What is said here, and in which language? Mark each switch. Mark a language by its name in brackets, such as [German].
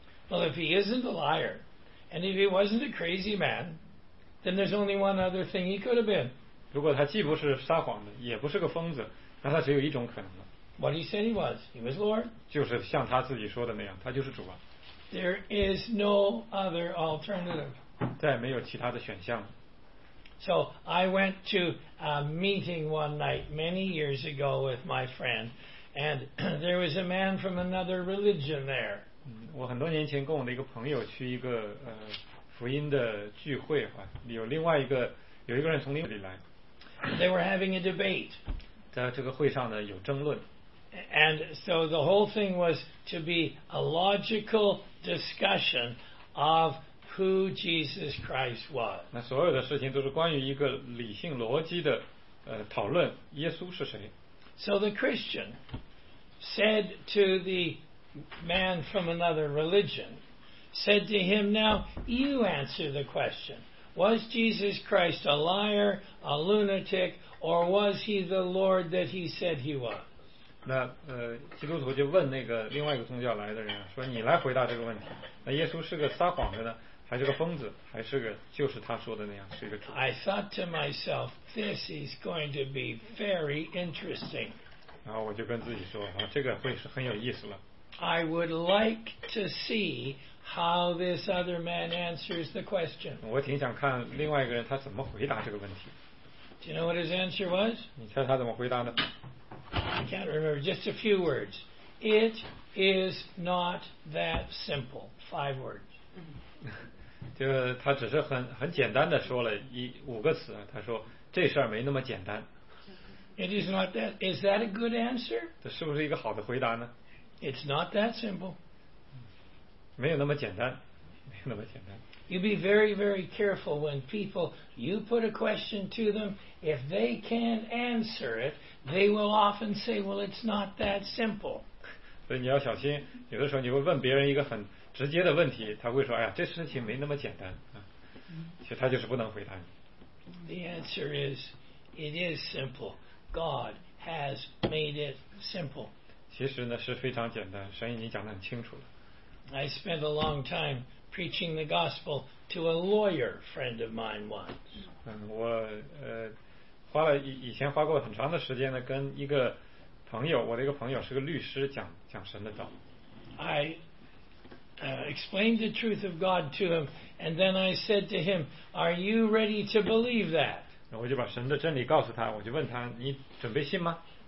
[English] Well, if he isn't a liar, and if he wasn't a crazy man, then there's only one other thing he could have been. [Chinese] 如果他既不是撒谎的，也不是个疯子，那他只有一种可能了。 [English] What he said he was Lord. [Chinese] 就是像他自己说的那样，他就是主啊。 [English] There is no other alternative. [Chinese] 再没有其他的选项。 [English] So I went to a meeting one night many years ago with my friend, and there was a man from another religion there. [Chinese] 我很多年前跟我的一个朋友去一个福音的聚会哈，有一个人从另外来。 [English] They were having a debate. [Chinese] 在这个会上呢有争论。 [English] And so the whole thing was to be a logical discussion of who Jesus Christ was. [Chinese] 那所有的事情都是关于一个理性逻辑的讨论，耶稣是谁。 [English] So the Christian said to the man from another religion, said to him, now you answer the question, was Jesus Christ a liar, a lunatic, or was he the Lord that he said he was? [Chinese] 那基督徒就问那个另外一个宗教来的人，说你来回答这个问题，那耶稣是个撒谎的呢，还是个疯子，还是个就是他说的那样是一个主。 [English] I thought to myself, this is going to be very interesting. [Chinese] 然后我就跟自己说，这个会是很有意思了。 [English] I would like to see how this other man answers the question. [Chinese] 我挺想看另外一个人他怎么回答这个问题。 [English] Do you know what his answer was? [Chinese] 你猜他怎么回答的？ [English] I can't remember, just a few words. It is not that simple. Five words. [Chinese] 就他只是 很简单的说了五个词，他说这事儿没那么简单。 [English] It is not that. Is that a good answer? [Chinese] 这是不是一个好的回答呢？ [English] It's not that simple. [Chinese] 没有那么简单，没有那么简单。 [English] You be very, very careful when people, you put a question to them, if they can't answer it, they will often say, well, it's not that simple. [Chinese] 所以你要小心，有的时候你会问别人一个很直接的问题，他会说，哎呀，这事情没那么简单。其实他就是不能回答你。 [English] The answer is, it is simple. God has made it simple. [Chinese] 其实呢，是非常简单，神已经讲得很清楚了。 [English] I spent a long time preaching the gospel to a lawyer friend of mine once. [Chinese] 我花了以前花过很长的时间呢，跟一个朋友，我的一个朋友是个律师，讲神的道。 [English] I explained the truth of God to him, and then I said to him, "Are you ready to believe that?" [Chinese] 我就把神的真理告诉他，我就问他，你准备信吗？